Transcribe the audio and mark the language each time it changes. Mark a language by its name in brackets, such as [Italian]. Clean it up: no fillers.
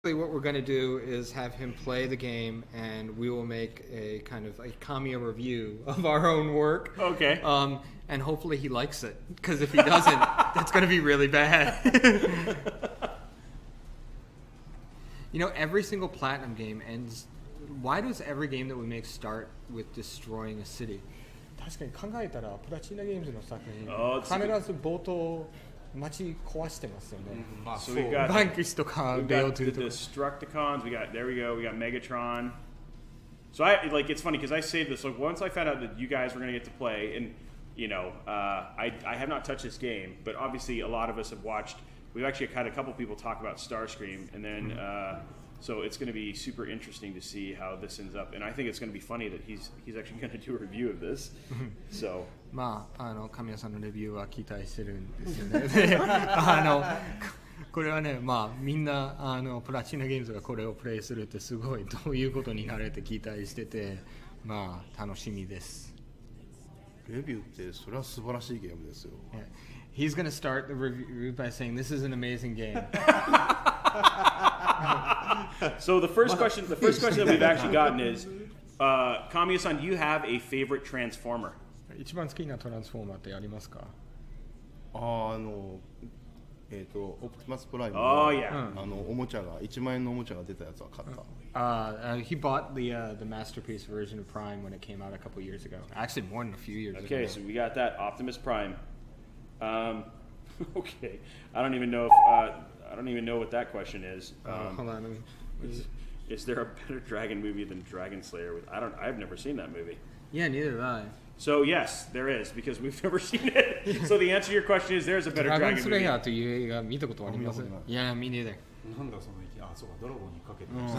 [English] What we're going to do is have him play the game, and we will make a kind of a cameo review of our own work. Okay. And hopefully he likes it, because if he doesn't, that's going to be really bad. You know, every single Platinum game ends... Why does every game that we make start with destroying a city? [Japanese] 確かに考えたら、プラチナゲームズの作品、必ず冒頭、街壊してますよね。まあ、そう。バンキシとか、ベオトゥルとか。 [English] The Destructicons, we got, there we go, we got Megatron. So I, like, it's funny, because I saved this, like, once I found out that you guys were going to get to play, and, you know, I have not touched this game, but obviously a lot of us have watched, we've actually had a couple people talk about Starscream, and then, so it's going to be super interesting to see how this ends up. And I think it's going to be funny that he's actually going to do a review of this. So. [Japanese] まあ、あの、神谷さんのレビューは期待してるんですよね。あの、これはね、まあ、みんな、あの、プラチナゲームズがこれをプレイするってすごいどういうことになるって期待してて、まあ、楽しみです。レビューってそれは素晴らしいゲームですよ。 [English] Yeah. He's going to start the review by saying, this is an amazing game. So the first question that we've actually gotten is, Kamiya-san, do you have a favorite Transformer? [Japanese] 一番好きなトランスフォーマーってありますか？オプティマスプライム。 [English] Oh, yeah. [Japanese] あの、おもちゃが、1万円のおもちゃが出たやつは買った。 [English] He bought the masterpiece version of Prime when it came out a couple years ago. Actually, more than a few years okay, Okay, so we got that, Optimus Prime. Okay, I don't even know if... I don't even know what that question is. Hold on. Is there a better Dragon movie than Dragon Slayer? I've never seen that movie. Yeah, neither have I. So yes, there is, because we've never seen it. So the answer to your question is there is a better Dragon movie. [Japanese] Dragon Slayer という映画見たことはありません。 [English] Yeah, me neither. [Japanese] なんだその意見。あ、そうか、ドラゴンにかけて